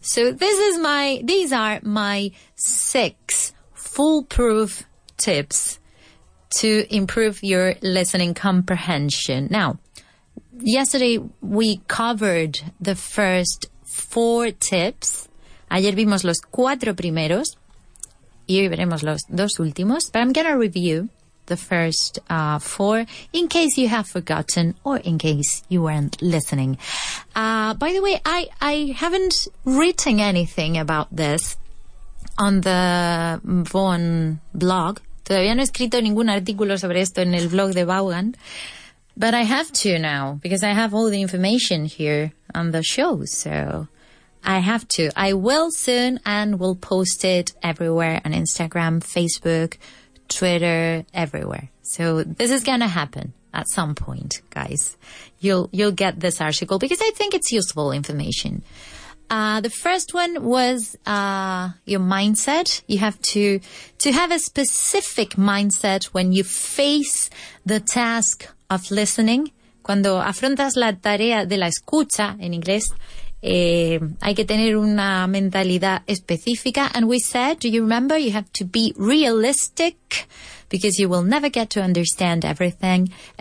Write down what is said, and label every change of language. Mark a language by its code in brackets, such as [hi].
[en] So these are my six foolproof tips to improve your listening comprehension. Now, yesterday we covered the first four tips. [es] Ayer vimos los cuatro primeros y hoy veremos los dos últimos. [en] But I'm going to review the first four in case you have forgotten or in case you weren't listening. By the way, I haven't written anything about this on the Vaughan blog. [es] Todavía no he escrito ningún artículo sobre esto en el blog de Vaughan. [en] But I have to now because I have all the information here on the show. So I have to. I will soon and will post it everywhere on Instagram, Facebook, Twitter, everywhere. So this is going to happen at some point, guys. You'll get this article because I think it's useful information. The first one was your mindset. You have to have a specific mindset when you face the task of listening. [es] Cuando afrontas la tarea de la escucha, en inglés, hay que tener una mentalidad específica. [en] And we said, do you remember, you have to be realistic because you will never get to understand everything.